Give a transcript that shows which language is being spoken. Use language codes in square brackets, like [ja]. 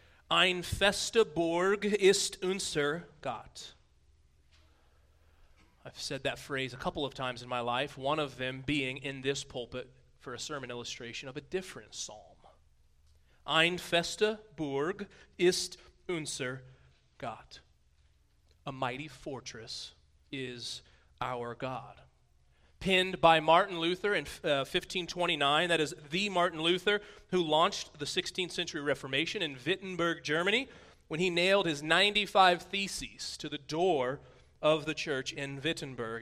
[de] Ein feste Burg ist unser Gott. [en] I've said that phrase a couple of times in my life, one of them being in this pulpit for a sermon illustration of a different psalm. [de] Ein feste Burg ist unser Gott. [en] A mighty fortress is our God. Pinned by Martin Luther in 1529, that is the Martin Luther who launched the 16th century Reformation in Wittenberg, Germany, when he nailed his 95 theses to the door of the church in Wittenberg.